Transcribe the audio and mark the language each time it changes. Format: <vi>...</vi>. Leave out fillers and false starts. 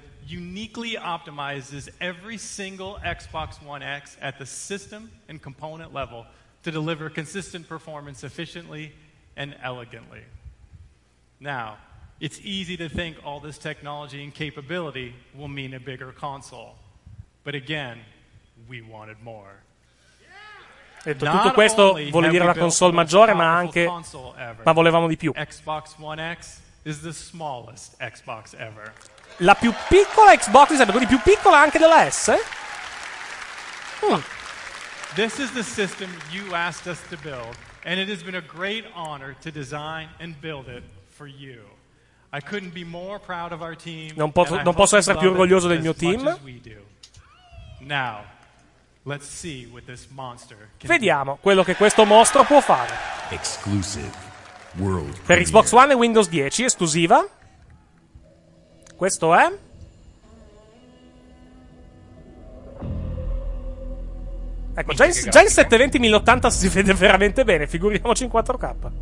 <en>Uniquely optimizes every single Xbox One X at the system and component level to deliver consistent performance efficiently and elegantly. Now, it's easy to think all this technology and capability will mean a bigger console. But again, we wanted more.</en> <it>Detto, tutto questo vuole dire una console maggiore, ma anche ma volevamo di più.</it> <en>Xbox One X is the smallest Xbox ever.</en> <it>La più piccola Xbox, quindi più piccola anche della S.</it> <en>This is the system you asked us to build, and it has been a great honor to design and build it for you. I couldn't be more proud of our team.</en> <it>Non posso essere più orgoglioso del mio team.</it> <en>Now, let's see what this monster can.</en> <it>Vediamo quello che questo mostro può fare.</it> <en>Exclusive world</en> <it>per Xbox One e Windows 10 esclusiva. Questo è ecco, già in 720-1080 si vede veramente bene, figuriamoci in 4K.</it>